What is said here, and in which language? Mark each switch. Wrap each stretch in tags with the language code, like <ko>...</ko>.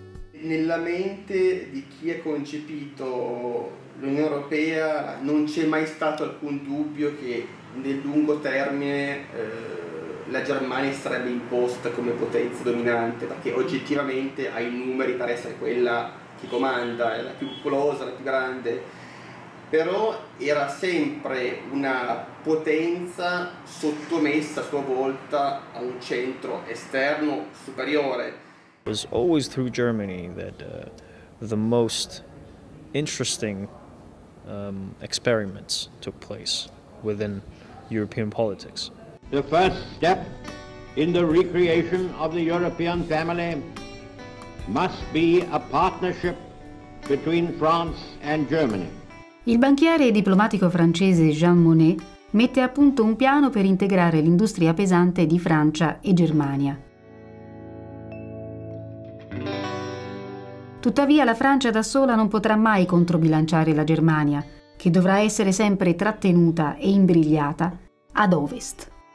<it>Nella mente di chi ha concepito l'Unione Europea non c'è mai stato alcun dubbio che nel lungo termine la Germania sarebbe imposta come potenza dominante, perché oggettivamente ha i numeri per essere quella che comanda, è la più popolosa, la più grande, però era sempre una potenza sottomessa a sua volta a un centro esterno superiore.</it> <en>It was always through Germany that the most interesting experiments took place within European politics. The first step in the recreation of the European family must be a partnership between France and Germany.</en> <it>Il banchiere e diplomatico francese Jean Monnet mette a punto un piano per integrare l'industria pesante di Francia e Germania. Tuttavia la Francia da sola non potrà mai controbilanciare la Germania, che dovrà essere sempre trattenuta e imbrigliata ad ovest.</it>